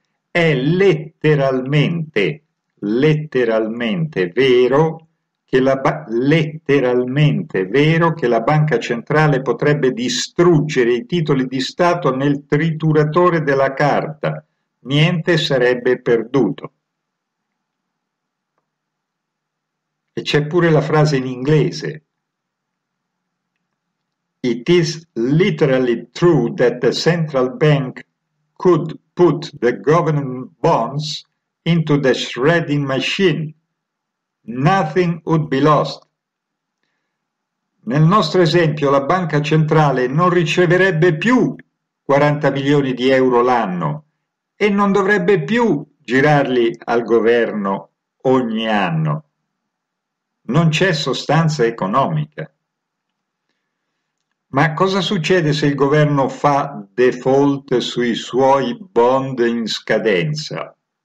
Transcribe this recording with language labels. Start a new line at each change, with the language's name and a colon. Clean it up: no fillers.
Italian: È letteralmente vero che la banca centrale potrebbe distruggere i titoli di Stato nel trituratore della carta. Niente sarebbe perduto. E c'è pure la frase in inglese:
English: "It is literally true that the central bank could put the government bonds into the shredding machine. Nothing would be lost."
Italian: Nel nostro esempio, la banca centrale non riceverebbe più 40 milioni di euro l'anno e non dovrebbe più girarli al governo ogni anno. non c'è sostanza economica. Ma cosa succede se il governo fa default sui suoi bond in scadenza?